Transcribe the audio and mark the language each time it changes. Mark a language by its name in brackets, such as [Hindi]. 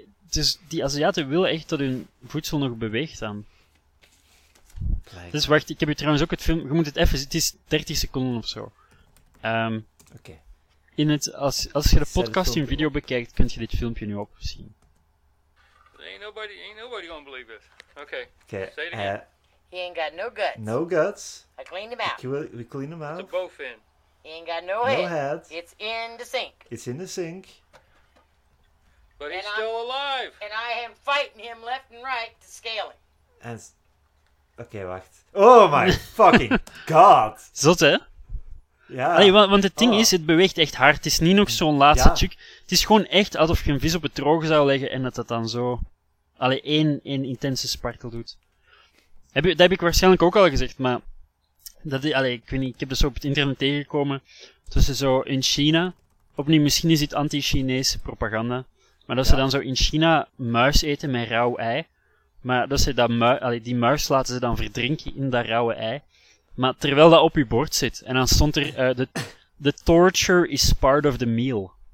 [Dutch] Dus die Aziaten willen echt dat hun voedsel nog beweegt dan. Dus wacht, ik heb hier trouwens ook het film... Je moet het even... Het is 30 seconden of zo. Oké. In het, als je de podcast in video bekijkt, kun je dit filmpje nu ook zien. [English] Ain't nobody gonna believe this. Okay. Say it again. He ain't got no guts. No guts. I cleaned him out. We cleaned him out. It's a bow fin. He ain't got no head. It's in the sink. It's in the sink. But he's still alive. And I am fighting him left and right to scale him. [Dutch] Wacht. [English] Oh my fucking god. [Dutch] Zot, hè? Ja. Want het ding is, het beweegt echt hard. Het is niet nog zo'n laatste truc. Het is gewoon echt alsof je een vis op het droge zou leggen en dat dan zo... Allee, één intense sparkle doet. Dat heb ik waarschijnlijk ook al gezegd, maar... Ik heb dat zo op het internet tegengekomen. Tussen zo in China... Opnieuw, misschien is dit anti-Chinese propaganda. Maar dat ze dan zo in China muis eten met rauw ei. Maar dat ze dat die muis laten ze dan verdrinken in dat rauwe ei. Maar terwijl dat op je bord zit. En dan stond er... [English] The torture is part of the meal.